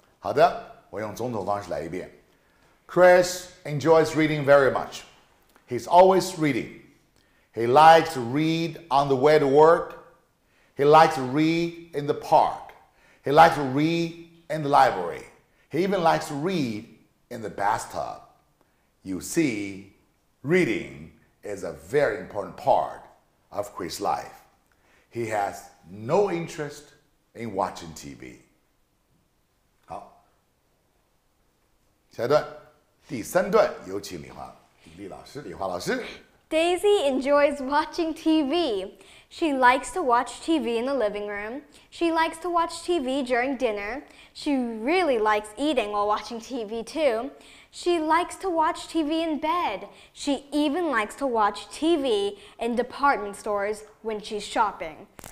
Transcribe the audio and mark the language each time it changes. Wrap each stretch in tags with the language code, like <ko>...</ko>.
<zh>好的，我用总统方式来一遍。</zh> <en>Chris enjoys reading very much. He's always reading. He likes to read on the way to work. He likes to read in the park. He likes to read in the library. He even likes to read in the bathtub. You see, reading... is a very important part of Chris' life. He has no interest in watching TV.</en> <zh>好，下一段，第三段，有请李华老师。</zh> <en>Daisy enjoys watching TV. She likes to watch TV in the living room. She likes to watch TV during dinner. She really likes eating while watching TV too. She likes to watch TV in bed. She even likes to watch TV in department stores when she's shopping.</en>